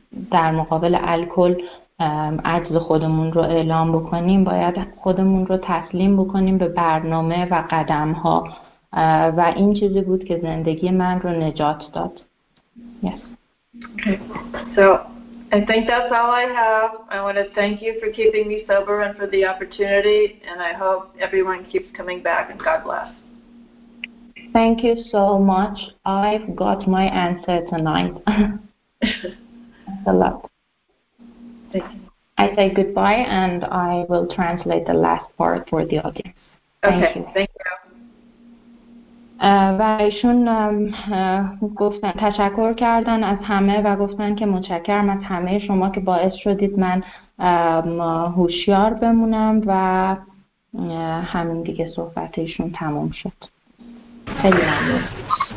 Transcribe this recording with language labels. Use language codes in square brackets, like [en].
[fa] در مقابل الکل عجز خودمون رو اعلام بکنیم، باید خودمون رو تسلیم بکنیم به برنامه و قدم‌ها و این چیزی بود که زندگی من رو نجات داد. [en] Yes. Okay. So, I think that's all I have. I want to thank you for keeping me sober and for the opportunity, and I hope everyone keeps coming back, and God bless. Thank you so much. I've got my answer tonight. That's a lot. Thank you. I say goodbye, and I will translate the last part for the audience. Okay, thank you. [fa] و ایشون گفتن تشکر کردن از همه و گفتن که متشکرم از همه شما که باعث شدید من هوشیار بمونم و همین دیگه صحبت ایشون تموم شد. خیلی ممنون.